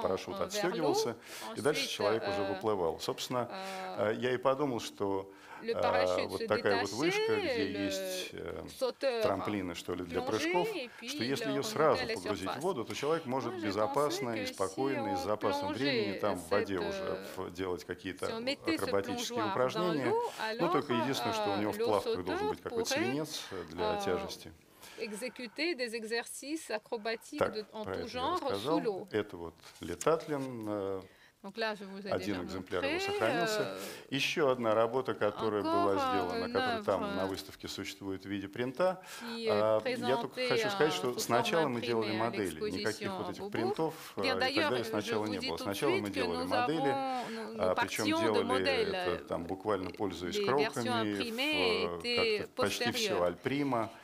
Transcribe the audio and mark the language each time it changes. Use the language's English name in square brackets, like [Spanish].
[Russian] Парашют отстегивался, и дальше человек уже выплывал. Собственно, я и подумал, что вот такая вот вышка, где есть трамплины, что ли, для прыжков, что если ее сразу погрузить в воду, то человек может безопасно и спокойно, и с запасом времени там в воде уже делать какие-то акробатические упражнения. Ну, только единственное, что у него в плавках должен быть какой-то свинец для тяжести. [French] Exécuter des exercices acrobatiques en tout genre sous l'eau. [Russian] Это вот летатлин. Один экземпляр его сохранился. Еще одна работа, которая была сделана, которая там на выставке существует в виде принта. Я только хочу сказать, что сначала мы делали модели. Никаких вот этих принтов и так далее сначала не было. Сначала мы делали модели, причем делали это там буквально пользуясь кровками, почти все альприма.